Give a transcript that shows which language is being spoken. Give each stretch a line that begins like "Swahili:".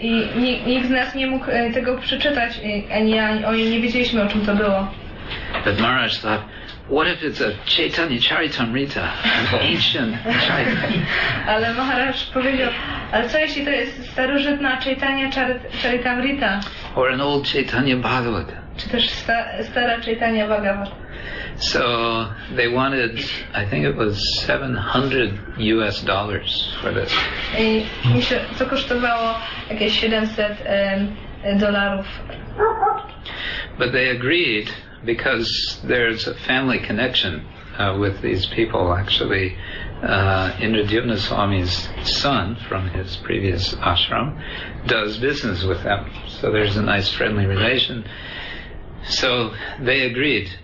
Polish: I nikt z nas nie mógł tego przeczytać, ani ja, ani oni nie wiedzieliśmy, o czym to było.
English: But Maharaj thought, what if it's a Chaitanya Charitamrita, an ancient Chaitanya?
Polish: Ale Maharaj powiedział, ale co jeśli to jest starożytna Chaitanya Charitamrita?
English: Or an old Chaitanya Bhagavat.
Polish: Czy też stara Chaitanya Bhagavat.
English: So they wanted, I think it was $700 for this.
Polish: To kosztowało jakieś 700 dolarów.
English: But they agreed because there's a family connection with these people. Actually, Indradyumna Swami's son from his previous ashram does business with them. So there's a nice friendly relation. So they agreed.